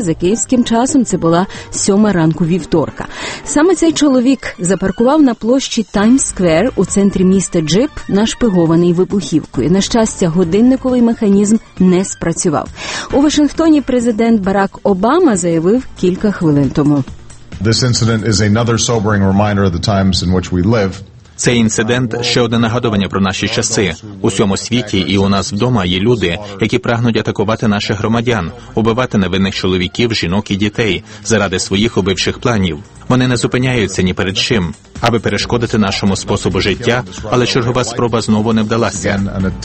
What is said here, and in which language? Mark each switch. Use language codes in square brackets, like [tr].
[uk] За київським часом це була 7 ранку вівторка. Саме цей чоловік запаркував на площі Таймс-сквер у центрі міста джип, нашпигований вибухівкою. На щастя, годинниковий механізм не спрацював. У Вашингтоні президент Барак Обама заявив кілька хвилин тому. [en] This incident is another sobering reminder of the times in which we live. [uk] Цей інцидент – ще одне нагадування про наші часи. У всьому світі і у нас вдома є люди, які прагнуть атакувати наших громадян, убивати невинних чоловіків, жінок і дітей заради своїх убивших планів. Вони не зупиняються ні перед чим, аби перешкодити нашому способу життя, але чергова спроба знову не вдалася.